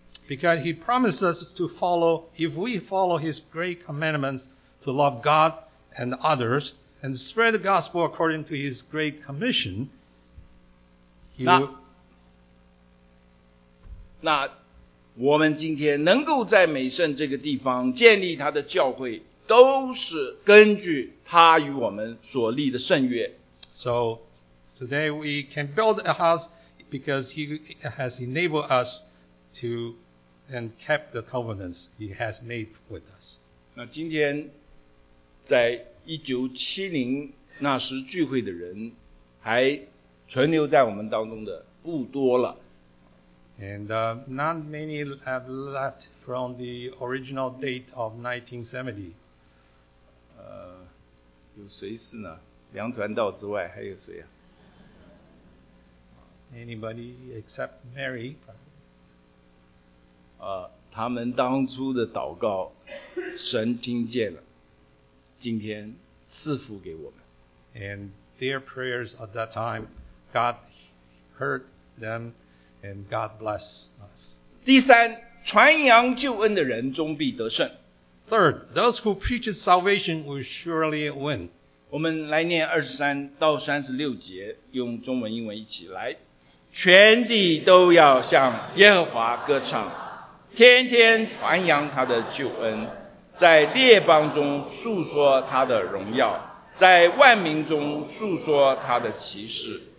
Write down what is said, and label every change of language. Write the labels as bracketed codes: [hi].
[en] Because he promised us to follow, if we follow his great commandments to love God and others and spread the gospel according to his great commission, he will. [zh] 那我们今天能够在美圣这个地方建立他的教会，都是根据他与我们所立的圣约。 [en] So today we can build a house because he has enabled us to and kept the covenants he has made with us. [zh] 那今天在1970那时聚会的人还存留在我们当中的不多了。 [en] And not many have left from the original date of 1970. [zh] 有谁是呢？梁传道之外还有谁啊？ [en] Anybody except Mary? [zh] 他们当初的祷告，神听见了，今天赐福给我们。 [en] And their prayers at that time, God heard them. And God bless us. [zh] 第三，传扬救恩的人终必得胜。 [en] Third, those who preach salvation will surely win. [zh] 我们来念23-36节，用中文英文一起来。全地都要向耶和华歌唱，天天传扬他的救恩，在列邦中述说他的荣耀，在万民中述说他的奇事。